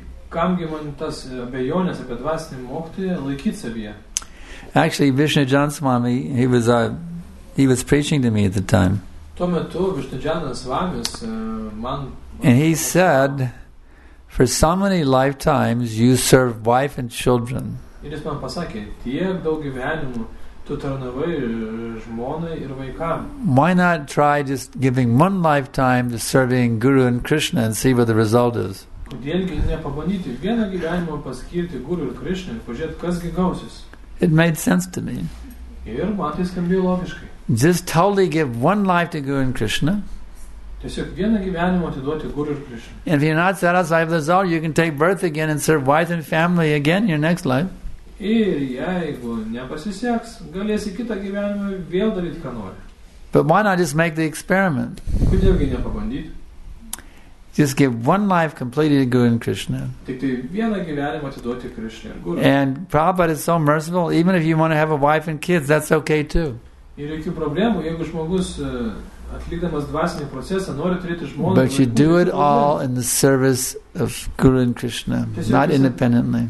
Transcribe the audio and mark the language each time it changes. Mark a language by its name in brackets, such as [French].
[English] Actually, Vishnu Jan Swami, he was preaching to me at the time. And he said, for so many lifetimes you serve wife and children. [Lithuanian] Ir jis man pasakė, tiek daug gyvenimų tu tarnavai žmonai ir vaikam. [English] Why not try just giving one lifetime to serving Guru and Krishna and see what the result is? [Lithuanian] Kodėlgi nepabandyti vieną gyvenimą paskirti Guru ir Krishna ir pažiūrėti, kas gi gausis? [English] It made sense to me. [Lithuanian] Ir man tai skambėjo logiškai. [English] Just totally give one life to Guru and Krishna. [Lithuanian] Tiesiog vieną gyvenimą atiduoti Guru ir Krishna. [English] And if you're not satisfied with the result, you can take birth again and serve wife and family again your next life. [Lithuanian] Ir jeigu nepasiseks, galėsi kitą gyvenimą vėl daryti, ką nori. [English] But why not just make the experiment? [Lithuanian] Kodėlgi nepabandyti? [English] Just give one life completely to Guru and Krishna. And Prabhupada is so merciful, even if you want to have a wife and kids, that's okay too. But you do it all in the service of Guru and Krishna, not independently.